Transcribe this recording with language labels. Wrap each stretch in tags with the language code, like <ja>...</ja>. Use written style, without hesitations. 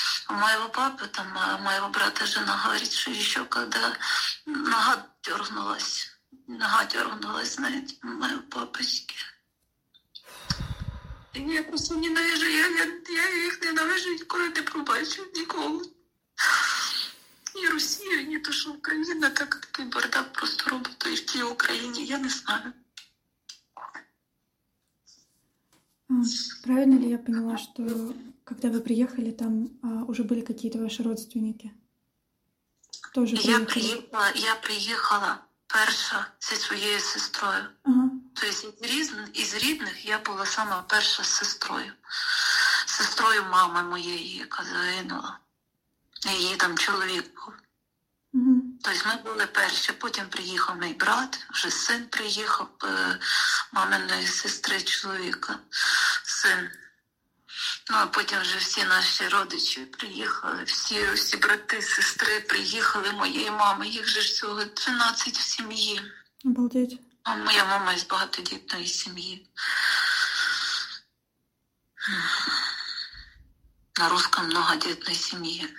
<ru>У моего папы, там, моего брата жена говорит, что еще когда нога дернулась, знаете, у моего папочки. И я просто ненавижу, я их ненавижу, никуда не пробачу, никого.</ru> <uk>Ні Росія, ні то, що Україна, так такий бардак просто робить, то і в тій Україні, я не знаю. Правильно ли я поняла, що коли ви приїхали, там вже були якісь ваші родственники?</uk> <ru>Тоже</ru> <uk>я приїхала перша зі своєю сестрою. Ага. Тобто із рідних я була сама перша з сестрою. Сестрою мами моєї, яка загинула. Її там чоловік був. Тобто ми були перші, потім приїхав мій брат, вже син приїхав, маминої сестри чоловіка, син. Ну а потім вже всі наші родичі приїхали, всі брати, сестри приїхали, моєї мами, їх же всього 13 в сім'ї.</uk> <ru>Обалдеть.</ru> <uk>А моя мама з багатодітної сім'ї.</uk> <ru>На русском многодетной семье.</ru>